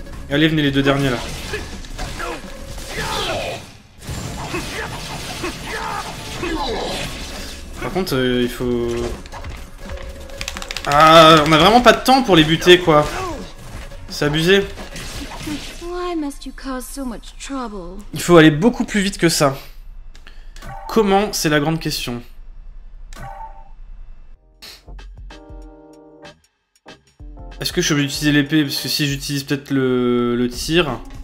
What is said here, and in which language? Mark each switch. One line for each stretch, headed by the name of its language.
French: Allez, venez les deux derniers, là. Par contre, il faut... Ah, on a vraiment pas de temps pour les buter, quoi. C'est abusé.
English: Why must you cause so much trouble?
French: Il faut aller beaucoup plus vite que ça. Comment, c'est la grande question. Est-ce que je suis obligé d'utiliser l'épée? Parce que si j'utilise peut-être le tir...